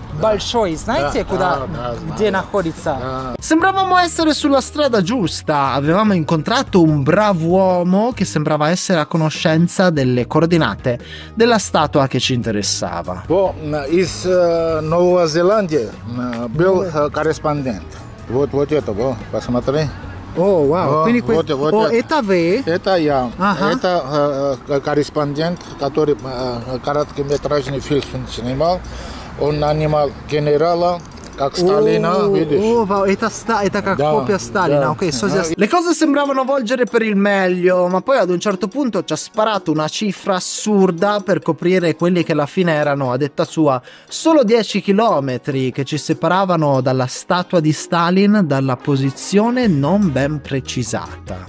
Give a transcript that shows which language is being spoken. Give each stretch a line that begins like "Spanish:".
Russian: Большой, знаете, куда, где находится?
Italian: Sembravamo essere sulla strada giusta. Avevamo incontrato un bravo uomo che sembrava essere a conoscenza delle coordinate della statua che ci interessava.
Russian: Из Нового Зеландии был корреспондент. Вот это, во, посмотри.
Italian: Oh, wow. Quindi questo.
Russian: Это вы? Это я. Это корреспондент, который короткометражный фильм снимал. Он нанимал генерала, как Сталина, видишь? Это как копия Сталина, окей.
Italian: Le cose sembravano volgere per il meglio, ma poi ad un certo punto ci ha sparato una cifra assurda per coprire quelli che alla fine erano, a detta sua, solo 10 chilometri che ci separavano dalla statua di Stalin dalla posizione non ben precisata.